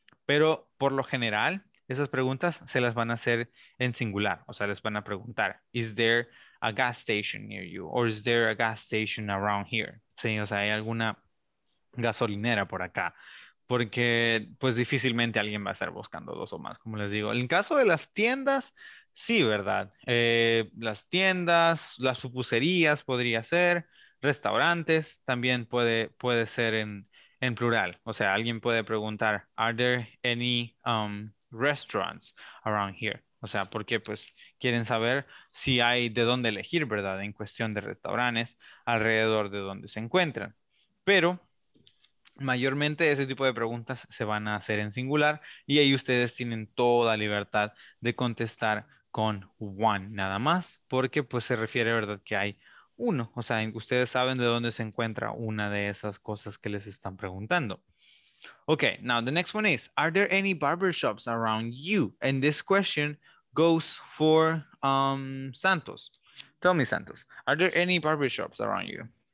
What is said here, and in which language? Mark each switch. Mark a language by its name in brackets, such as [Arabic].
[Spanish] Pero por lo general, esas preguntas se las van a hacer en singular. O sea, les van a preguntar, [English] ¿is there a gas station near you? ¿Or is there a gas station around here? [Spanish] Sí, o sea, ¿hay alguna gasolinera por acá? Porque, pues, difícilmente alguien va a estar buscando dos o más, como les digo. En caso de las tiendas, sí, ¿verdad? Las tiendas, las pupuserías podría ser, restaurantes también puede ser en plural. O sea, alguien puede preguntar, [English] ¿are there any restaurants around here? [Spanish] O sea, porque pues quieren saber si hay de dónde elegir, ¿verdad? En cuestión de restaurantes alrededor de donde se encuentran. Pero mayormente ese tipo de preguntas se van a hacer en singular y ahí ustedes tienen toda libertad de contestar con one nada más, porque pues se refiere, ¿verdad?, que hay uno. O sea, ustedes saben de dónde se encuentra una de esas cosas que les están preguntando. [English] Okay, now the next one is, are there any barbershops around you? And this question goes for Santos. Tell me, Santos, are there any barbershops around you?